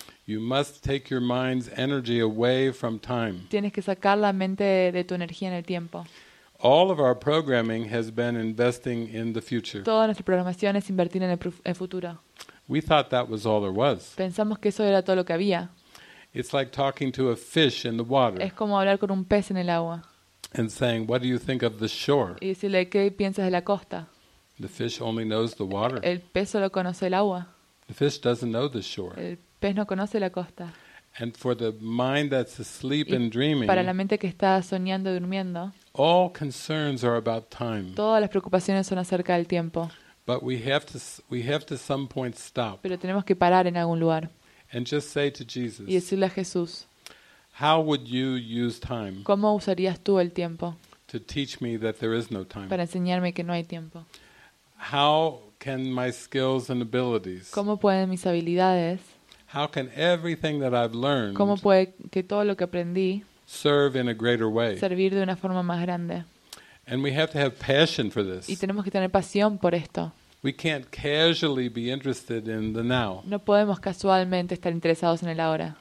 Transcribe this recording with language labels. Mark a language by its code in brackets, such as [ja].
[en] You must take your mind's energy away from time. [es] Tienes que sacar la mente de tu energía en el tiempo. [en] All of our programming has been investing in the future. [es] Toda nuestra programación es invertir en el futuro. [en] We thought that was all there was. [es] Pensamos que eso era todo lo que había. [en] It's like talking to a fish in the water. [es] Es como hablar con un pez en el agua. [en] And saying, "What do you think of the shore?" [es] Y decirle, ¿qué piensas de la costa? [en] The fish only knows the water. [es] El pez solo conoce el agua. [en] The fish doesn't know the shore. [es] El pez no conoce la costa. [en] And for the mind that's asleep [es] y [en] and dreaming, [es] para la mente que está soñando y durmiendo, [en] all concerns are about time. [es] Todas las preocupaciones son acerca del tiempo. [en] But we have to some point stop. [es] Pero tenemos que parar en algún lugar. [en] And just say to Jesus. [es] Y decirle a Jesús. [en] How would you use time? [es] ¿Cómo usarías tú el tiempo? [en] To teach me that there is no time. [es] Para enseñarme que no hay tiempo. [en] How can my skills and abilities? [es] ¿Cómo pueden mis habilidades? [en] How can everything that I've learned? [es] ¿Cómo puede que todo lo que aprendí [en] serve in a greater way? [es] Servir de una forma más grande. [en] And we have to have passion for this. [es] Y tenemos que tener pasión por esto. [en] We can't casually be interested in the now. [es] No podemos casualmente estar interesados en el ahora.